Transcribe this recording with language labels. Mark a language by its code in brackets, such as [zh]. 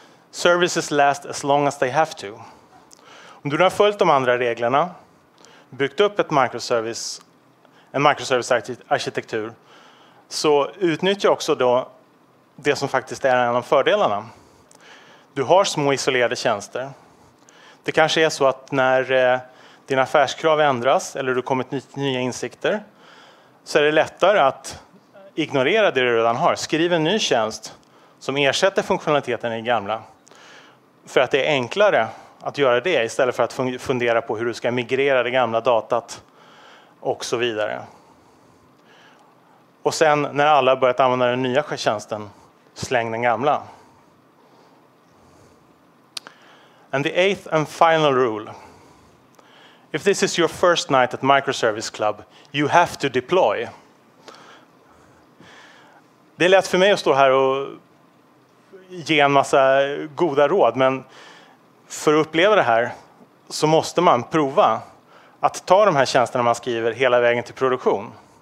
[en] Services last as long as they have to. [sv] Om du har följt de andra reglerna, byggt upp ett microservice, en microservice-arkitektur, så utnyttja också då det som faktiskt är en av fördelarna. Du har små isolerade tjänster. Det kanske är så att när dina affärskrav ändras eller du kommit nya insikter, så är det lättare att ignorera det du redan har. Skriv en ny tjänst som ersätter funktionaliteten i gamla. För att det är enklare att göra det istället för att fundera på hur du ska migrera det gamla datat och så vidare. Och sen när alla har börjat använda den nya tjänsten, släng den gamla. [en] And the eighth and final rule. If this is your first night at Microservice Club, you have to deploy. [sv] Det är lätt för mig att stå här och ge en massa goda råd, men för att uppleva det här så måste man prova att ta de här tjänsterna man skriver hela vägen till produktion.